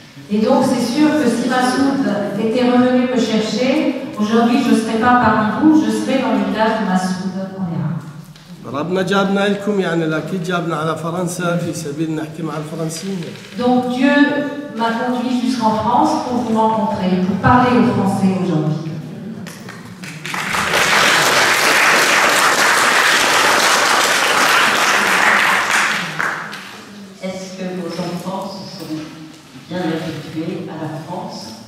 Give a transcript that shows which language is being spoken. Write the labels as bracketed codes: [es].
[fr] Et donc c'est sûr que si Masoud était revenu me chercher, aujourd'hui je ne serais pas parmi vous, je serais dans le village de Masoud. [ar] ربنا جابنا لكم يعني لكن جابنا على فرنسا في سبيل نحكي مع الفرنسيين. [fr] Donc Dieu m'a conduit jusqu'en France pour vous rencontrer, pour parler aux Français aujourd'hui. Est-ce que vos enfants se sont bien habitués à la France?